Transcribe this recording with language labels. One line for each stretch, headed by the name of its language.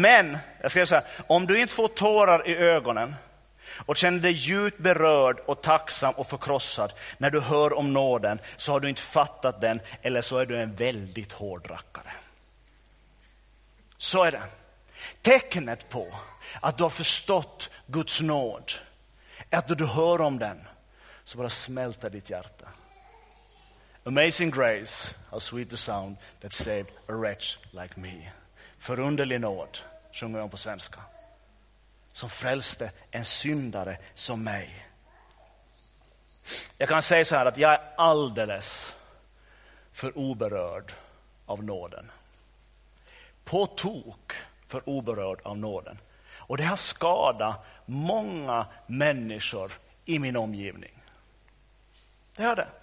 Swedish: Men, jag ska säga, om du inte får tårar i ögonen och känner dig djupt berörd och tacksam och förkrossad när du hör om nåden, så har du inte fattat den, eller så är du en väldigt hård rackare. Så är det. Tecknet på att du har förstått Guds nåd, att du hör om den, så bara smälter ditt hjärta.
English: Amazing grace, how sweet the sound that saved a wretch like me.
Swedish: Förunderlig nåd, sjunger jag på svenska, som frälste en syndare som mig. Jag kan säga så här, att jag är alldeles för oberörd av nåden. På tok för oberörd av nåden. Och det har skadat många människor i min omgivning. Det är det.